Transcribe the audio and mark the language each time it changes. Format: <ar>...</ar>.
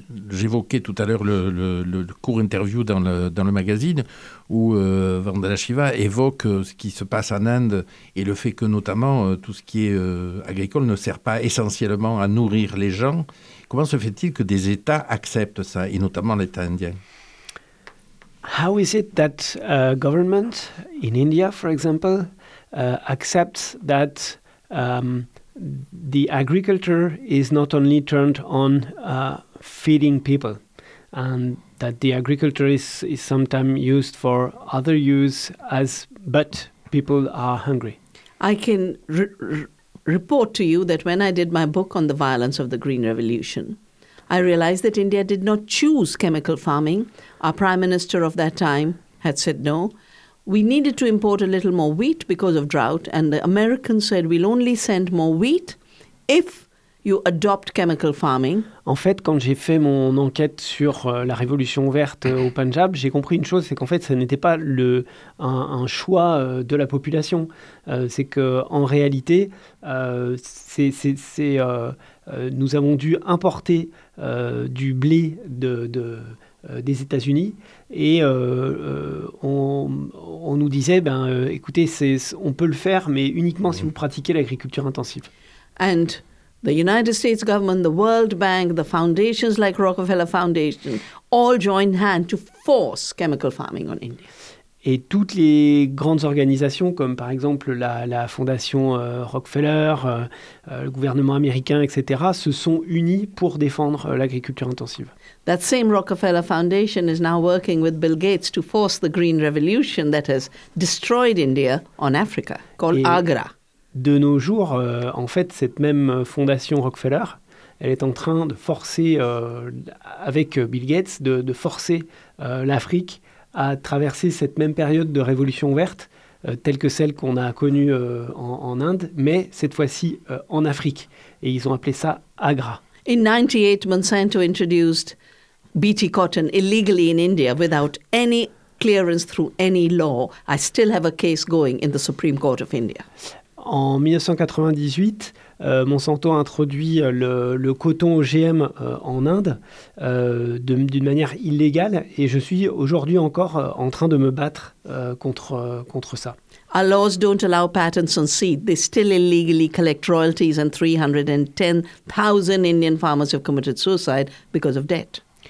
<fr>J'évoquais tout à l'heure le court interview dans le magazine où Vandana Shiva évoque ce qui se passe en Inde et le fait que notamment tout ce qui est agricole ne sert pas essentiellement à nourrir les gens. Comment se fait-il que des États acceptent ça, et notamment l'État indien ?</fr> <en>How is it that government in India, for example, accepts that the agriculture is not only turned on feeding people, and that the agriculture is sometimes used for other use as but people are hungry? I can report to you that when I did my book on the violence of the Green Revolution, I realized that India did not choose chemical farming. Our prime minister of that time had said no. We needed to import a little more wheat because of drought, and the Americans said we'll only send more wheat if you adopt chemical farming.</en> <fr>En fait, quand j'ai fait mon enquête sur la révolution verte au Punjab, j'ai compris une chose, c'est qu'en fait, ce n'était pas un choix de la population. C'est qu'en réalité, nous avons dû importer du blé des États-Unis et on nous disait, écoutez, on peut le faire, mais uniquement si vous pratiquez l'agriculture intensive.</fr> <en>And the United States government, the World Bank, the foundations like Rockefeller Foundation, all joined hand to force chemical farming on India.</en> <fr>Et toutes les grandes organisations, comme par exemple la fondation Rockefeller, le gouvernement américain, etc., se sont unies pour défendre l'agriculture intensive.</fr> <en>That same Rockefeller Foundation is now working with Bill Gates to force the Green Revolution that has destroyed India on Africa, called AGRA.</en> <fr>De nos jours, en fait, cette même fondation Rockefeller, elle est en train de forcer, avec Bill Gates, de forcer l'Afrique à traverser cette même période de révolution verte, telle que celle qu'on a connue en Inde, mais cette fois-ci en Afrique. Et ils ont appelé ça AGRA.</fr> <en>In 98, Monsanto introduced BT cotton illegally in India without any clearance through any law. I still have a case going in the Supreme Court of India.</en> <fr>En 1998, Monsanto a introduit le coton OGM en Inde d'une manière illégale et je suis aujourd'hui encore en train de me battre contre ça.</fr> <en>Our laws don't allow patents on seed. They still illegally collect royalties and 310,000 Indian farmers have committed suicide because of debt.</en>